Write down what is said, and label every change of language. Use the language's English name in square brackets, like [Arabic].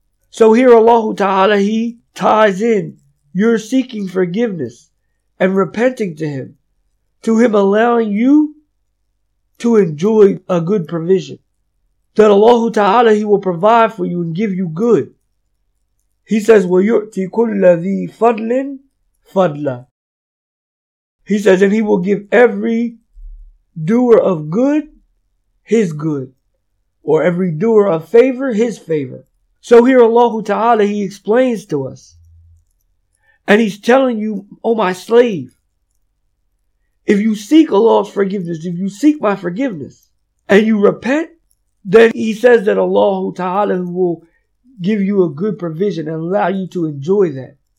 [English] So here Allah Ta'ala, He ties in, you're seeking forgiveness and repenting to Him allowing you to enjoy a good provision, that Allah Ta'ala, He will provide for you and give you good. He says, [Arabic] وَيُؤْتِ كُلَّ ذِي فَضْلٍ فَضْلًا. [English] He says, and He will give every doer of good His good, or every doer of favor His favor. So here Allah Ta'ala, He explains to us, and He's telling you, oh my slave, if you seek Allah's forgiveness, if you seek my forgiveness, and you repent, then He says that Allah Ta'ala will give you a good provision and allow you to enjoy that.